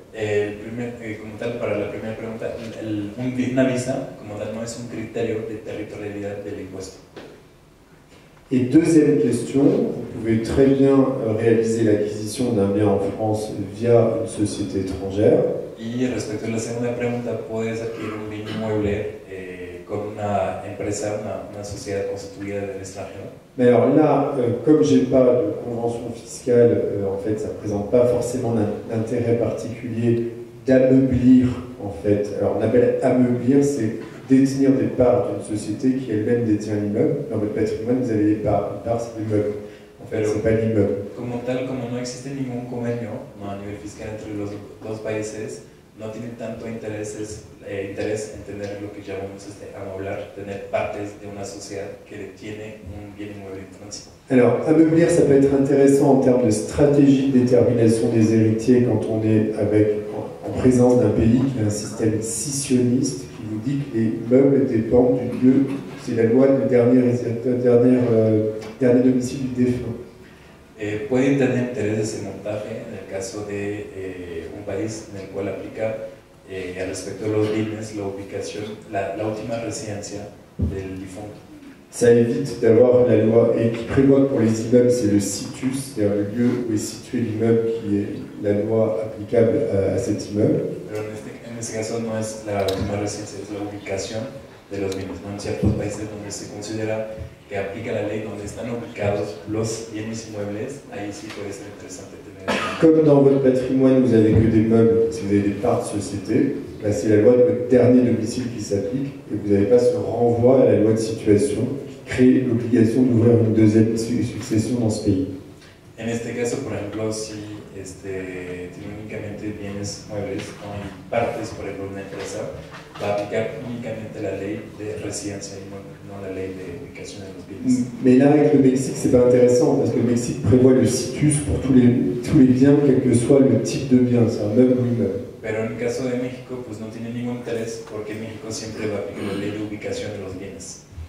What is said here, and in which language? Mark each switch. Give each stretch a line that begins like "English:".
Spanish: Como tal, para la primera pregunta, una visa, como tal, no es un criterio de territorialidad del impuesto.
French: Y deuxième question, vous pouvez très bien réaliser l'acquisition d'un bien en France via une société étrangère.
Spanish: Y respecto a la segunda pregunta, puedes adquirir un bien inmueble con una empresa, una sociedad constituida del extranjero.
French: Mais alors là, comme j'ai pas de convention fiscale, en fait, ça présente pas forcément d'intérêt particulier d'ameublir, en fait. Alors, on appelle ameublir, c'est détenir des parts d'une société qui elle-même détient l'immeuble. Dans votre patrimoine, vous avez des parts. Une part, c'est l'immeuble. En fait, c'est pas l'immeuble.
Spanish: Como tal, como no existe ningún convenio a nivel fiscal entre los dos países, no tiene tanto interés en tener lo que llamamos amueblar, tener partes de una sociedad que tiene un bien inmueble en Francia.
French: Alors, ameublir, ça peut être intéressant en termes de stratégie de détermination des héritiers quand on est en présence d'un pays qui a un système scissionniste qui vous dit que les meubles dépendent du lieu, c'est la loi du dernier domicile du défunt.
Spanish: Puede tener interés de ese montaje en el caso de un país en el cual aplica al respecto de los bienes, la ubicación, la última residencia del difunto.
French: Ça évite d'avoir la loi et qui prévoit pour les immeubles, c'est le situs, c'est-à-dire le lieu où est situé l'immeuble qui est la loi applicable à cet immeuble.
Spanish: Pero en este caso no es la última residencia, es la ubicación de los bienes. En ciertos países donde se considera que aplica la ley, donde están ubicados los bienes inmuebles, ahí sí puede ser interesante tener.
French: Comme dans votre patrimoine, vous n'avez que des meubles, si vous avez des parts de société. Là, c'est la loi de votre dernier domicile qui s'applique et vous n'avez pas ce renvoi à la loi de situation qui crée l'obligation d'ouvrir une deuxième succession dans ce pays.
Spanish: En este caso, por ejemplo, si tiene únicamente bienes muebles o en partes, por ejemplo, una empresa, va a aplicar únicamente la ley de residencia y no la ley de ubicación de los bienes.
French: Mais là, avec le Mexique, c'est pas intéressant parce que le Mexique prévoit le situs pour tous les biens, quel que soit le type de bien, c'est un meuble ou une meuble.
Spanish: Pero en el caso de México, pues no tiene ningún interés porque México siempre va a aplicar la ley de ubicación de los bienes.